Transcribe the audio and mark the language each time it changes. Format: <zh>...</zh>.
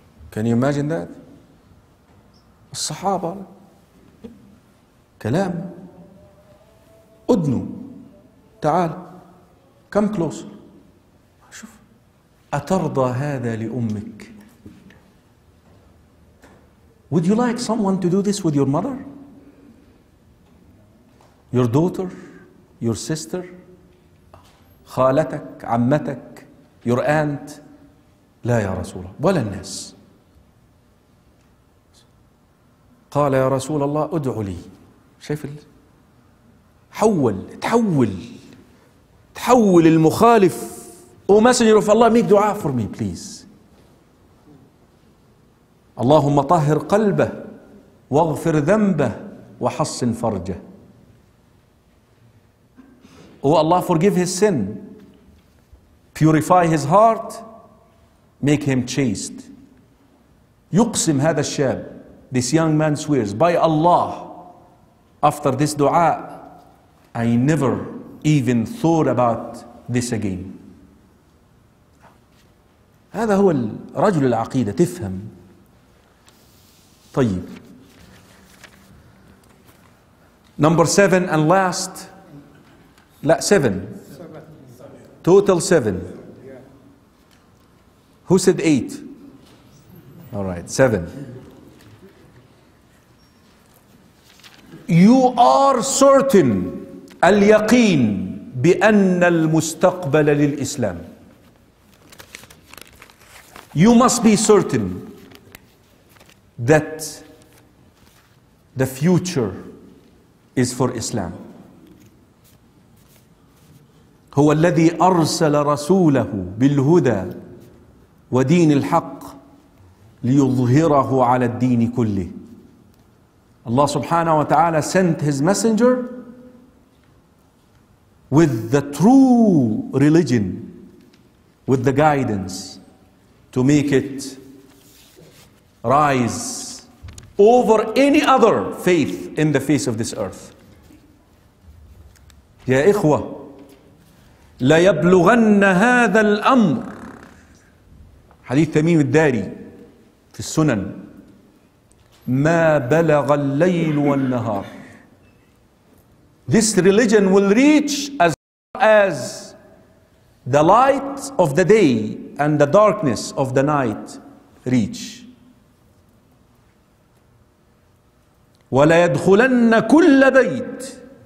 <en>Can you imagine that?</en> <ar>الصحابة كلام أدنو تعال</ar> <en>come closer</en> <ar>شوف أترضى هذا لأمك.</ar> <en>Would you like someone to do this with your mother? Your daughter, your sister,</en> <ar>خالتك, عمتك,</ar> <en>your aunt.</en> <ar>لا يا رسول الله ولا الناس. قال يا رسول الله ادعو لي. شايف حول تحول تحول المخالف.</ar> <en>Oh messenger of Allah make dua for me please.</en> <ar>اللهم طهر قلبه واغفر ذنبه وحصن فرجه.</ar> <en>Oh Allah forgive his sin, purify his heart, make him chaste.</en> <ar>يقسم هذا الشاب,</ar> <en>this young man swears by Allah, after this dua I never even thought about this again.</en> <ar>هذا هو الرجل العقيدة تفهم.</ar> <en>طيب number 7 and last, لا 7 total 7. Who said 8? Alright, 7. You are certain</en> <ar>اليقين بأن المستقبل للإسلام.</ar> <en>You must be certain that the future is for Islam.</en> <ar>هو الذي أرسل رسوله بالهدى ودين الحق ليظهره على الدين كله.</ar> <en>Allah subhanahu wa ta'ala sent his messenger with the true religion, with the guidance to make it rise over any other faith in the face of this earth.</en> <ar>يا إخوة ليبلغن هذا الأمر. حديث تميم الداري في السنن, ما بلغ الليل والنهار.</ar> <en>This religion will reach as far as the light of the day and the darkness of the night reach.</en> <ar>وليدخلن كل بيت.</ar>